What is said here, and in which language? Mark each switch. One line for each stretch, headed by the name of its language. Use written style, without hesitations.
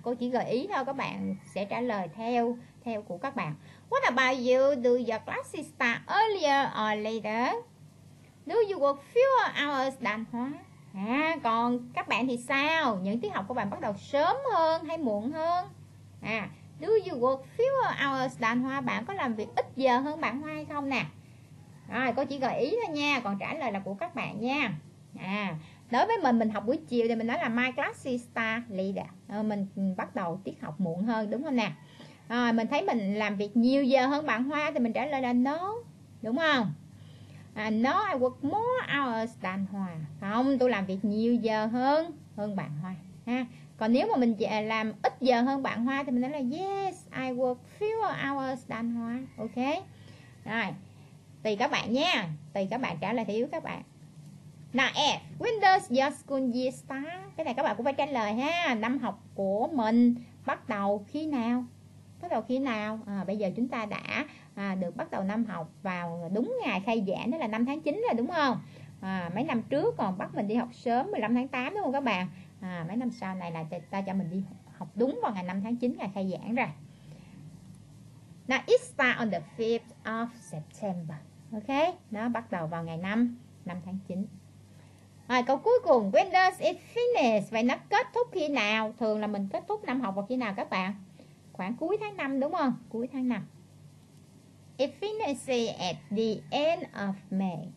Vietnamese: Cô chỉ gợi ý thôi, các bạn sẽ trả lời theo của các bạn.
English: What about you? Do your classes start earlier or later? Do you work fewer hours than Hoa? À, còn các bạn thì sao?
Vietnamese: Những tiết học của bạn bắt đầu sớm hơn hay muộn hơn?
English: À, do you work fewer hours than Hoa?
Vietnamese: Bạn có làm việc ít giờ hơn bạn Hoa hay không nè? Rồi, cô chỉ gợi ý thôi nha, còn trả lời là của các bạn nha. À, đối với mình học buổi chiều thì mình nói là
English: my classes start later.
Vietnamese: Mình bắt đầu tiết học muộn hơn, đúng không nè? Rồi, mình thấy mình làm việc nhiều giờ hơn bạn Hoa thì mình trả lời là
English: no,
Vietnamese: đúng không? À,
English: no, I work more hours than Hoa.
Vietnamese: Không, tôi làm việc nhiều giờ hơn bạn Hoa. Ha. Còn nếu mà mình làm ít giờ hơn bạn Hoa thì mình nói là
English: yes, I work fewer hours than Hoa.
Vietnamese: Ok, rồi. Tùy các bạn nha, tùy các bạn trả lời thì yếu các bạn.
English: Now F, when does your school year start?
Vietnamese: Cái này các bạn cũng phải trả lời ha. Năm học của mình bắt đầu khi nào? Bắt đầu khi nào? À, bây giờ chúng ta đã được bắt đầu năm học vào đúng ngày khai giảng, đó là 5 tháng 9 rồi đúng không? À, mấy năm trước còn bắt mình đi học sớm 15 tháng 8 đúng không các bạn? À, mấy năm sau này là ta cho mình đi học đúng vào ngày 5 tháng 9 ngày khai giảng rồi.
English: Now it starts on the 5th of September.
Vietnamese: Ok, nó bắt đầu vào ngày 5 tháng 9. Rồi, câu cuối cùng,
English: when does it finish?
Vietnamese: Vậy nó kết thúc khi nào? Thường là mình kết thúc năm học vào khi nào các bạn? Khoảng cuối tháng 5 đúng không? Cuối tháng 5.
English: It finishes at the end of May.